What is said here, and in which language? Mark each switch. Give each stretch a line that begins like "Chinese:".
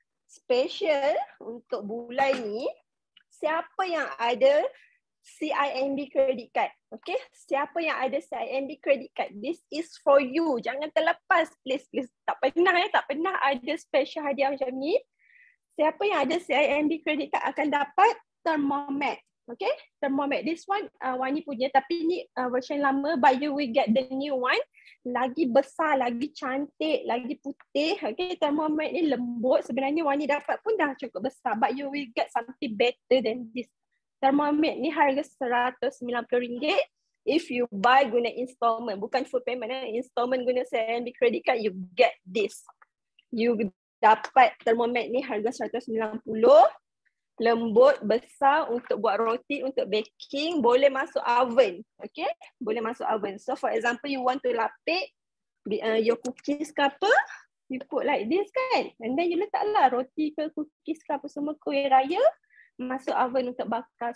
Malay: Special untuk bulan ni, siapa yang ada CIMB credit card? Okay, siapa yang ada CIMB credit card?
English: This is for you.
Malay: Jangan terlepas, please, please. Tak pernah ada special hadiah macam ni. Siapa yang ada CIMB credit card akan dapat Thermomix. Okay, Thermomix.
English: This one,
Malay: Wani punya, tapi ni version lama,
English: but you will get the new one.
Malay: Lagi besar, lagi cantik, lagi putih. Okay, Thermomix ni lembut. Sebenarnya Wani dapat pun dah cukup besar,
English: but you will get something better than this.
Malay: Thermomix ni harga RM190.
English: If you buy guna installment, bukan full payment, installment guna CIMB credit card, you get this.
Malay: You dapat Thermomix ni harga RM190. Lembut, besar untuk buat roti, untuk baking, boleh masuk oven. Okay, boleh masuk oven.
English: So for example, you want to
Malay: lapik your cookies ke apa,
English: you put like this
Malay: kan, and then you letaklah roti ke cookies ke apa semua, kuih raya, masuk oven untuk bakar.